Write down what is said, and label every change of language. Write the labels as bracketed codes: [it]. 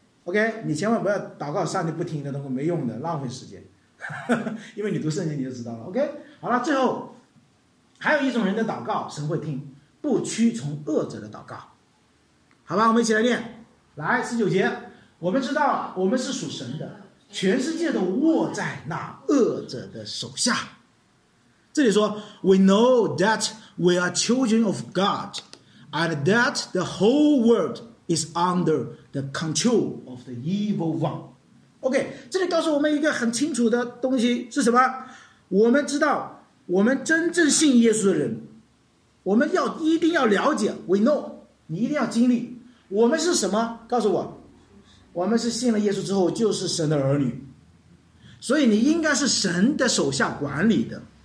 [zh] OK， 你千万不要祷告上帝不听的东西，没用的，浪费时间因为你读圣经你就知道了。 OK， 好了，最后还有一种人的祷告神会听，不屈从恶者的祷告。好吧，我们一起来念。来，十九节，我们知道我们是属神的，全世界都握在那恶者的手下。这里说 [en] We know that we are children of God and that the whole world is under the controlof the evil one。 [zh] OK， 这里告诉我们一个很清楚的东西是什么？我们知道我们真正信耶稣的人，我们要一定要了解， [en] we know， [zh] 你一定要经历我们是什么。告诉我，我们是信了耶稣之后就是神的儿女，所以你应该是神的手下管理的。